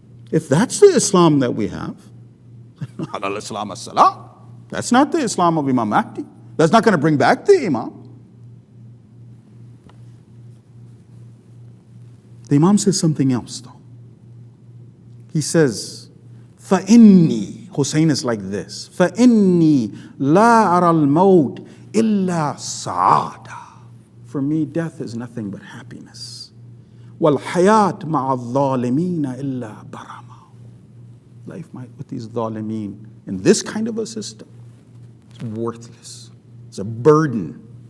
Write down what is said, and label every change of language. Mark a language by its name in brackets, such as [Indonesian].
[English] If that's the Islam that we have, not al-Islam as-salam, that's not the Islam of Imam Mahdi. That's not going to bring back the Imam. The Imam says something else, though. He says, [Arabic] فَإِنِّي, [English] Hussein is like this, [Arabic] فَإِنِّي لَا أَرَى الْمَوْتِ إِلَّا سَعَادًا. [English] For me, death is nothing but happiness. [Arabic] وَالْحَيَاةِ مَعَ الظَّالِمِينَ إِلَّا بَرَمًا. [English] Life might with these ظَالِمِين in this kind of a system, it's worthless. It's a burden.